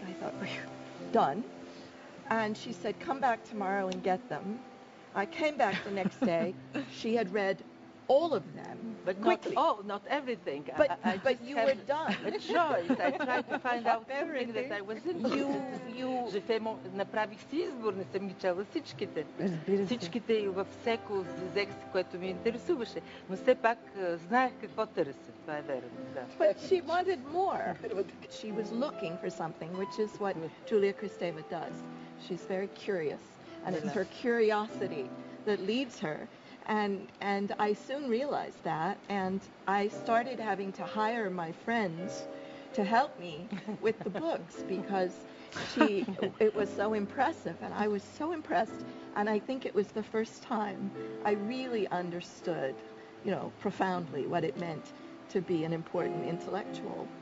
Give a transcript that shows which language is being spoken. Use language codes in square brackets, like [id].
[en] I thought, done. And she said, come back tomorrow and get them. I came back the next day. She had read all of them, but quickly. Not all, not everything. But, but you were done. A choice. I tried to find out everything that I was in. You. [fr] Je fais mon, [bg] направих си избор, не съм ги чела всичките. Разбира се. Всичките и във всеко взех, което ми интересуваше. Но все пак знаех какво търси. Това е верно. Да. [en] But she wanted more. She was looking for something, which is what Julia Kristeva does. She's very curious. And it's her curiosity that leads her. And I soon realized that, and I started having to hire my friends to help me with the books because she it was so impressive, and I was so impressed, and I think it was the first time I really understood, you know, profoundly what it meant to be an important intellectual.